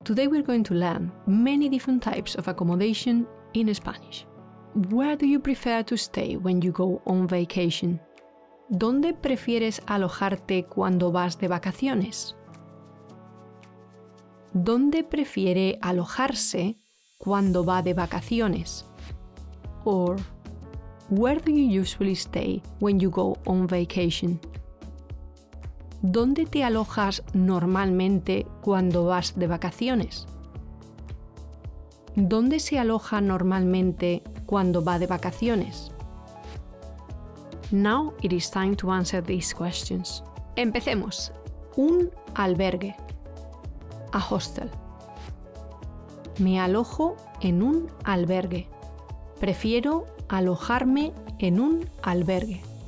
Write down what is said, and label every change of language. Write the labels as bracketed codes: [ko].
[en] Today we're going to learn many different types of accommodation in Spanish. Where do you prefer to stay when you go on vacation? [es] ¿Dónde prefieres alojarte cuando vas de vacaciones? ¿Dónde prefiere alojarse cuando va de vacaciones? [en] Or, where do you usually stay when you go on vacation? [es] ¿Dónde te alojas normalmente cuando vas de vacaciones? ¿Dónde se aloja normalmente cuando va de vacaciones? [en] Now it is time to answer these questions. [es] Empecemos. Un albergue. [en] A hostel. [es] Me alojo en un albergue. Prefiero alojarme en un albergue.